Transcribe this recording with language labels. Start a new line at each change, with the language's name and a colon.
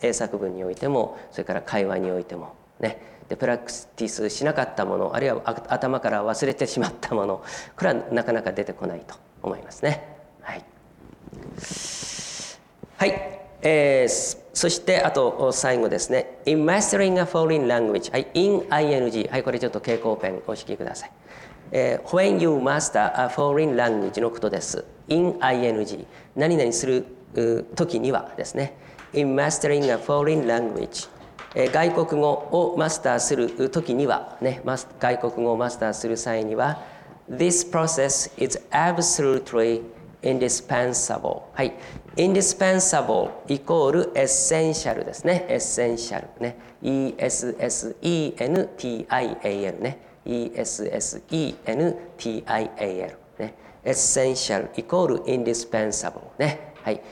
Japanese: 英作文においてもそれから会話においても、ね、でプラクティスしなかったもの、あるいは頭から忘れてしまったもの、これはなかなか出てこないと思いますね、はい、はい、そしてあと最後ですね、
English: In mastering a foreign language、
Japanese: はい、In ING、はい、これちょっと蛍光ペンお引きください、
English: When you master a foreign language
Japanese: のことです。 In ING 何々する時にはですね、
English: In mastering a foreign language、
Japanese: 外国語をマスターする時には、ね、外国語をマスターする際には
English: This process is absolutely indispensable.
Japanese: はい。 indispensable イコールエッセンシャルですね。エッセンシャルね。 ESSENTIAL ね。 ESSENTIAL ね。エッセンシャルイコール indispensable ね。はい。